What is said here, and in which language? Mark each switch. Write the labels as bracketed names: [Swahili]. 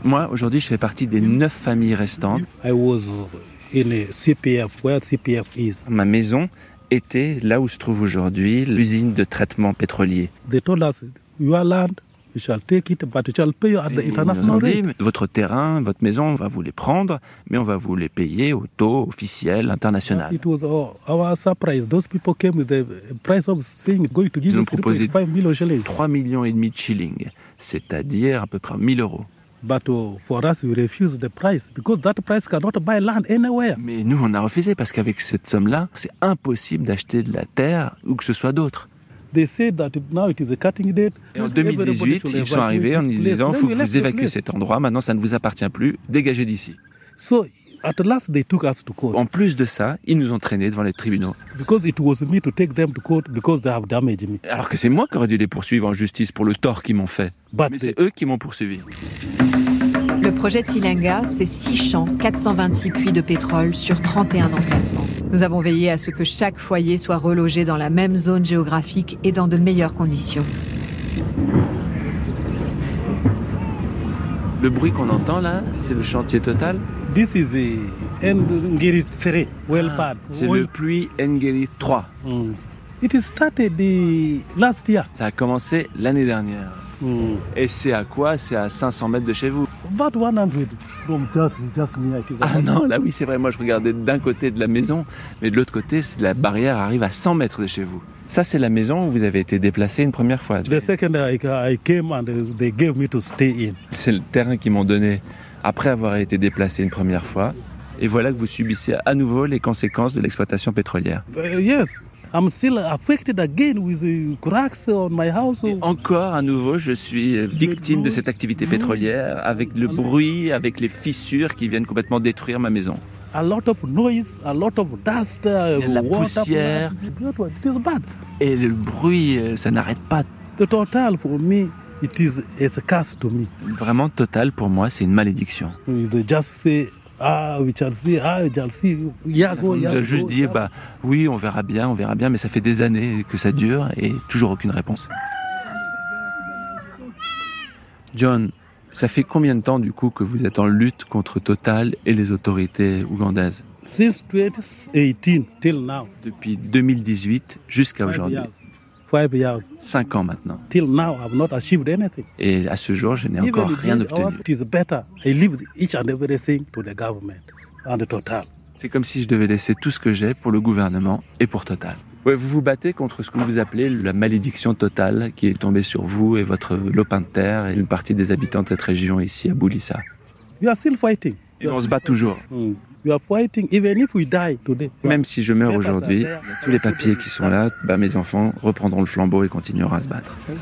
[French] Moi, aujourd'hui, je fais partie des 9 familles restantes. [English] I was in a CPF, where CPF is. [French] Ma maison était là où se trouve aujourd'hui l'usine de traitement pétrolier. [English] They told us, your land, we shall take it, but we shall pay you at the international rate. [French] Ils ont dit, votre terrain, votre maison, on va vous les prendre, mais on va vous les payer au taux officiel international. [English] It was our surprise. Those people came with the price of saying, going to give you 3.5 million shillings. [French] 3,5 millions de shillings. C'est-à-dire à peu près 1 000 euros. [English] But for us, we refuse the price because that price cannot buy land anywhere. [French] Mais nous, on a refusé parce qu'avec cette somme-là, c'est impossible d'acheter de la terre ou que ce soit d'autre. [English] They said that now it is a cutting date. [French] Et en 2018, ils sont arrivés en disant, il faut que vous évacuez cet endroit. Maintenant, ça ne vous appartient plus. Dégagez d'ici. [English] So, at last, they took us to court. [French] En plus de ça, ils nous ont traînés devant les tribunaux. [English] Because it was me to take them to court because they have damaged me. [French] Alors que c'est moi qui aurais dû les poursuivre en justice pour le tort qu'ils m'ont fait. But mais c'est eux qui m'ont poursuivi. Le projet Tilenga, c'est 6 champs, 426 puits de pétrole sur 31 emplacements. Nous avons veillé à ce que chaque foyer soit relogé dans la même zone géographique et dans de meilleures conditions. Le bruit qu'on entend là, c'est le chantier Total. [English] This is the Ngiri 3, well pad. [French] C'est le puits Ngiri 3. [English] It started the last year. [French] Ça a commencé l'année dernière. Et c'est à quoi? C'est à 500 mètres de chez vous. [English] about 100 from just me. [French] Ah non, là oui, c'est vrai. Moi, je regardais d'un côté de la maison, mais de l'autre côté, la barrière arrive à 100 mètres de chez vous. Ça, c'est la maison où vous avez été déplacé une première fois. [English] The second I came and they gave me to stay in. [French] C'est le terrain qu'ils m'ont donné après avoir été déplacé une première fois. Et voilà que vous subissez à nouveau les conséquences de l'exploitation pétrolière. [English] Yes. I'm still affected again with the cracks on my house. [French] Et encore à nouveau, je suis victime de cette activité pétrolière avec le bruit, avec les fissures qui viennent complètement détruire ma maison. [English] A lot of noise, a lot of dust, [French] la poussière. [English] It is bad. [French] Et le bruit, ça n'arrête pas. [English] The total for me, it is a curse to me. [French] Vraiment total pour moi, c'est une malédiction. [English] They just say, Ah, we shall see. [French] On verra bien, mais ça fait des années que ça dure et toujours aucune réponse. John, ça fait combien de temps du coup que vous êtes en lutte contre Total et les autorités ougandaises? [English] Since 2018 till now. [French] Depuis 2018 jusqu'à aujourd'hui. [English] 5 years. [French] 5 ans maintenant. [English] Till now, I've not achieved anything. [French] Et à ce jour, je n'ai encore rien obtenu. [English] It is better. I leave each and everything to the government and the Total. [French] C'est comme si je devais laisser tout ce que j'ai pour le gouvernement et pour Total. Ouais, vous vous battez contre ce que vous appelez la malédiction totale qui est tombée sur vous et votre lopin de terre et une partie des habitants de cette région ici à Boulissa. [English] You are still fighting. [French] Et on se bat toujours. [English] You are fighting even if we die today. [French] Même si je meurs aujourd'hui, tous les papiers qui sont là, bah mes enfants reprendront le flambeau et continueront à se battre.